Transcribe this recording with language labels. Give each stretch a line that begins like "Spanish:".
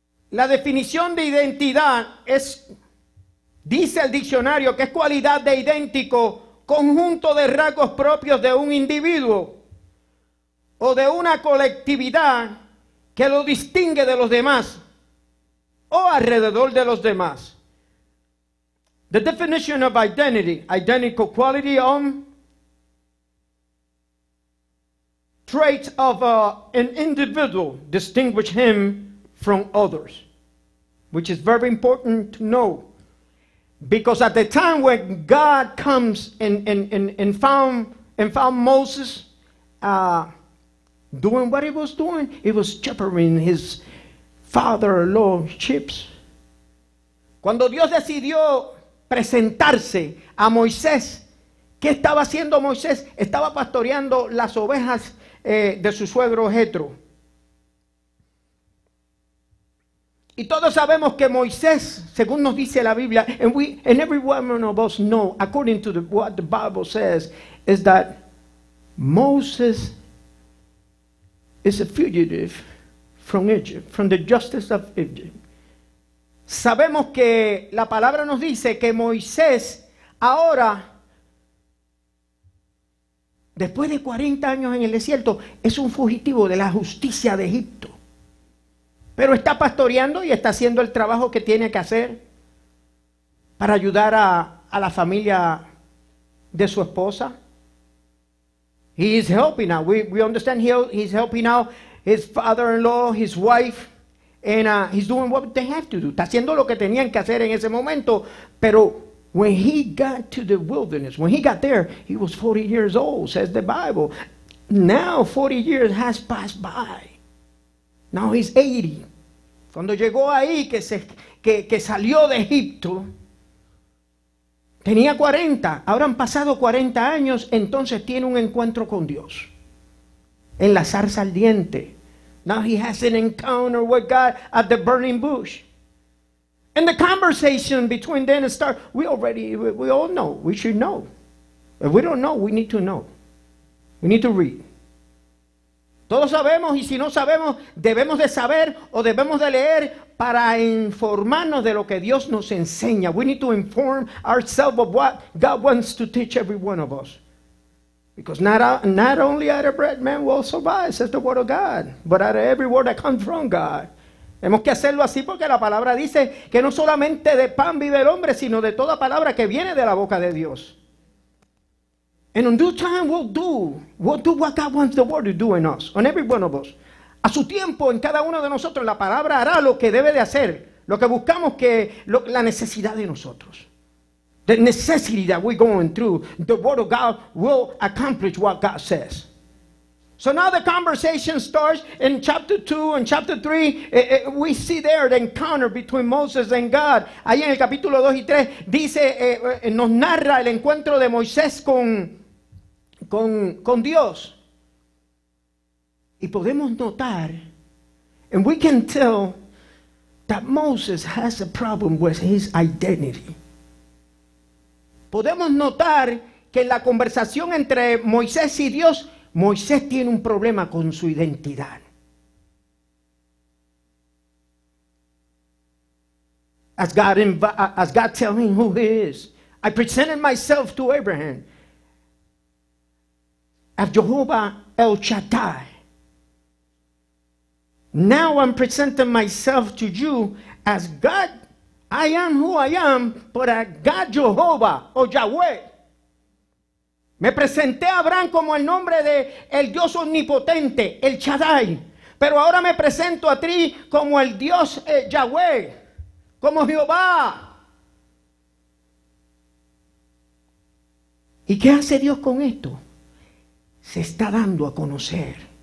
Spanish: La definición de identidad es, dice el diccionario, que es cualidad de idéntico, conjunto de rasgos propios de un individuo o de una colectividad que lo distingue de los demás o alrededor de los demás.
English: The definition of identity, identical quality on traits of an individual distinguish him from others, which is very important to know. Because at the time when God comes and found Moses doing what he was doing, he was shepherding his father-in-law's sheep.
Spanish: Cuando Dios decidió presentarse a Moisés, ¿qué estaba haciendo Moisés? Estaba pastoreando las ovejas de su suegro Jetro. Y todos sabemos que Moisés, según nos dice la Biblia,
English: and every one of us know, according to what the Bible says, is that Moses is a fugitive from Egypt, from the justice of Egypt.
Spanish: Sabemos que la palabra nos dice que Moisés ahora, después de 40 años en el desierto, es un fugitivo de la justicia de Egipto. Pero está pastoreando y está haciendo el trabajo que tiene que hacer para ayudar a la familia de su esposa.
English: He is helping now. We understand he's helping now his father-in-law, his wife, and he's doing what they have to do.
Spanish: Está haciendo lo que tenían que hacer en ese momento. Pero
English: when he got to the wilderness, when he got there, he was 40 years old, says the Bible. Now 40 years has passed by. Now he's 80.
Spanish: Cuando llegó ahí, que salió de Egipto, tenía 40. Ahora han pasado 40 años, entonces tiene un encuentro con Dios. En la zarza ardiente.
English: Now he has an encounter with God at the burning bush. And the conversation between them starts. We all know. We should know. If we don't know, we need to know. We need to read.
Spanish: Todos sabemos, y si no sabemos, debemos de saber o debemos de leer para informarnos de lo que Dios nos enseña.
English: We need to inform ourselves of what God wants to teach every one of us. Because not only out of bread man will survive, says the word of God, but out of every word that comes from God.
Spanish: Tenemos que hacerlo así porque la palabra dice que no solamente de pan vive el hombre, sino de toda palabra que viene de la boca de Dios.
English: And in due time, we'll do what God wants the world to do in us, on every one of us.
Spanish: A su tiempo, en cada uno de nosotros, la palabra hará lo que debe de hacer, lo que buscamos, la necesidad de nosotros.
English: The necessity that we're going through, the word of God will accomplish what God says. So now the conversation starts in chapter 2 and chapter 3. We see there the encounter between Moses and God.
Spanish: Ahí en el capítulo 2 y 3 dice, nos narra el encuentro de Moisés con Dios. Y podemos notar,
English: and we can tell that Moses has a problem with his identity.
Spanish: Podemos notar que en la conversación entre Moisés y Dios, Moisés tiene un problema con su identidad.
English: As God tells him who he is, I presented myself to Abraham as Jehovah El Shaddai. Now I'm presenting myself to you as God. I am who I am, but as God Jehovah or Yahweh.
Spanish: Me presenté a Abraham como el nombre de el Dios omnipotente, el Shaddai. Pero ahora me presento a ti como el Dios Yahweh, como Jehová. ¿Y qué hace Dios con esto? Se está dando a conocer.